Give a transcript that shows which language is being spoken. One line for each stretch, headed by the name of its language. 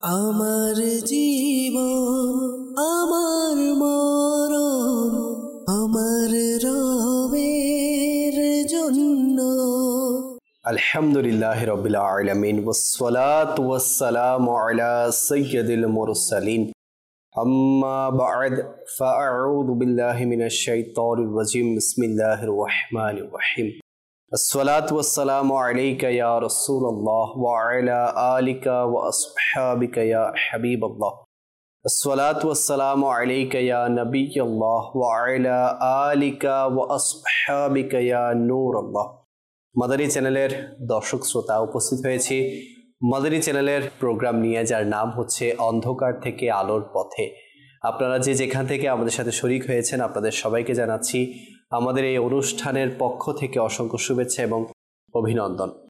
Bangla: আমার জীবন আমার মরণ আমার রবের জন্য।
Arabic: আলহামদুলিল্লাহ রাব্বিল আলামিন والصلاه والسلام على سيد المرسلين اما بعد فاعوذ بالله من الشيطان الرجيم بسم الله الرحمن الرحيم والصلاه والسلام عليك يا رسول الله وعلى اليك واصحابك يا حبيب الله والصلاه والسلام عليك يا نبي الله وعلى اليك واصحابك يا نور الله।
Bangla: মাদারী চ্যানেলের দর্শক শ্রোতা, উপস্থিত হয়েছি মাদারী চ্যানেলের প্রোগ্রাম নিয়ে, যার নাম হচ্ছে অন্ধকার থেকে আলোর পথে। আপনারা যেখান থেকে আমাদের সাথে শরিক হয়েছেন, আপনাদের সবাইকে জানাচ্ছি আমাদের এই অনুষ্ঠানের পক্ষ থেকে অসংখ্য শুভেচ্ছা এবং অভিনন্দন।